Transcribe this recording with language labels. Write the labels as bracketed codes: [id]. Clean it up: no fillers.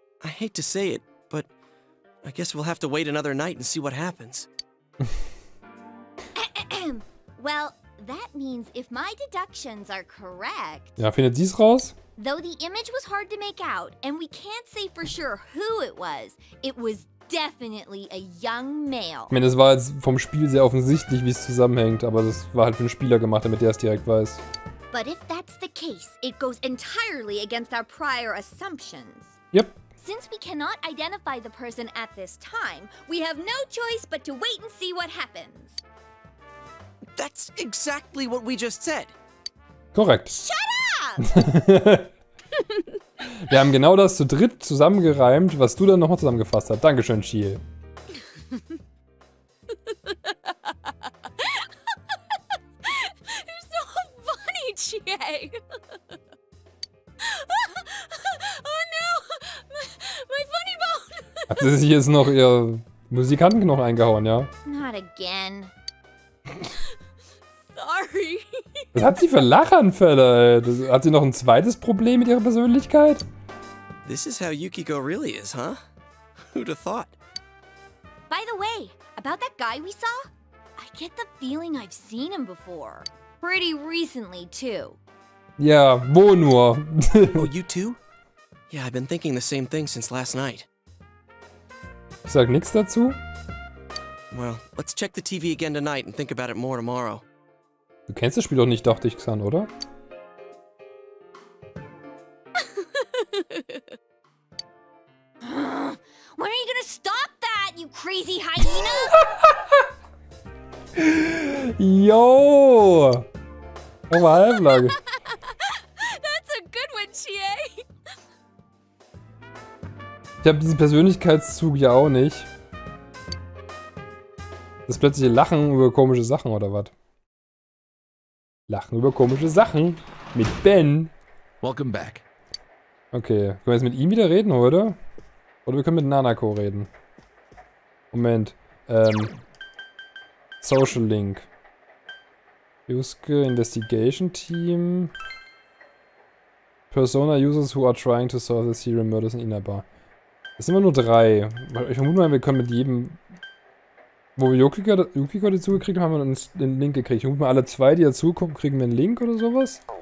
[en] I hate to say it, but I guess we'll have to wait another night and see what happens. Well, that means if my deductions are correct... [de] Ja, findet sie's raus? [en] Though the image was hard to make out, and we can't say for sure who it was definitely a young male. [de] Ich meine, es war jetzt vom Spiel sehr offensichtlich, wie es zusammenhängt, aber das war halt für den Spieler gemacht, damit er es direkt weiß. [en] But if that's the case, it goes entirely against our prior assumptions. Yep. Since we cannot identify the person at this time, we have no choice but to wait and see what happens. That's exactly what we just said. [de] Korrekt. [en] Shut up! [de] Wir haben genau das zu dritt zusammengereimt, was du dann nochmal zusammengefasst hast. Dankeschön, Chie. [en] You're so funny, Chie. Oh no, my funny bone. [de] Hat sie sich jetzt noch ihr Musikantenknochen eingehauen, ja? [en] Not again. Sorry. [de] Was hat sie für Lachanfälle, ey? Hat sie noch ein zweites Problem mit ihrer Persönlichkeit? [en] This is how Yukiko really is, huh? Who'd have thought? By the way, about that guy we saw? I get the feeling I've seen him before. Pretty recently, too. [de] Yeah, wo nur? [en] Oh, you too? Yeah, I've been thinking the same thing since last night. [de] Ich sag nichts dazu. [en] Well, let's check the TV again tonight and think about it more tomorrow. [de] Du kennst das Spiel doch nicht, dachte ich, Xan, oder? [en] When are you gonna stop that, you crazy hyena? [de] Yo! Komm mal, Flug. [en] That's a good one, Chie. [de] Ich hab diesen Persönlichkeitszug ja auch nicht. Das plötzliche Lachen über komische Sachen, oder was? Lachen über komische Sachen. Mit Ben. [en] Welcome back. [de] Okay, können wir jetzt mit ihm wieder reden, oder? Oder wir können mit Nanako reden. Moment. [en] Social Link. Yusuke Investigation Team. Persona Users who are trying to solve the serial murders in Inaba. [de] Das sind immer nur drei. Ich vermute mal, wir können mit jedem... Wo wir Yukiko dazugekriegt haben, haben wir einen Link gekriegt. Ich vermute mal, alle zwei, die dazukommen, kriegen wir einen Link oder sowas.